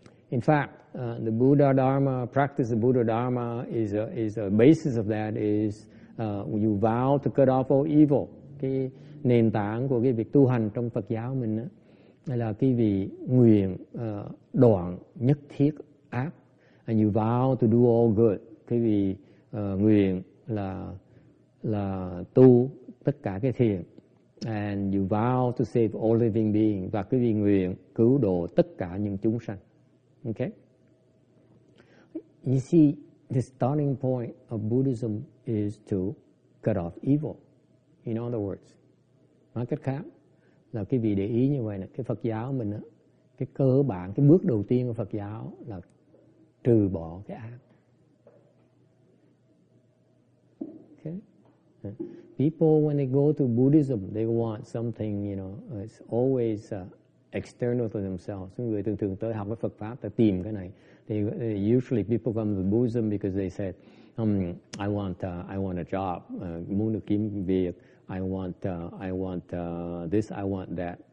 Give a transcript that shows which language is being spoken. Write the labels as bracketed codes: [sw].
[en] In fact, the Buddha Dharma practice, the Buddha Dharma is a basis of that is you vow to cut off all evil. [vi] Cái nền tảng của cái việc tu hành trong Phật giáo mình đó, là cái vị nguyện đoạn nhất thiết ác. [en] And you vow to do all good. [vi] cái vì nguyện là tu tất cả cái thiện. [en] And you vow to save all living beings, [vi] và cái vì nguyện cứu độ tất cả những chúng sanh. [en] Okay? You see, the starting point of Buddhism is to cut off evil. In other words, [vi] nói cách khác là cái vì để ý như vậy nè, cái Phật giáo mình á, cái cơ bản, cái bước đầu tiên của Phật giáo là trừ bỏ cái ác. [en] Okay. People, when they go to Buddhism, they want something, you know, it's always external to themselves. [vi] Những người thường thường tới học cái Phật Pháp, ta tìm cái này. [en] They usually, people come to Buddhism because they said, I want a job, [vi] muốn được kiếm việc, [en] I want this, I want that.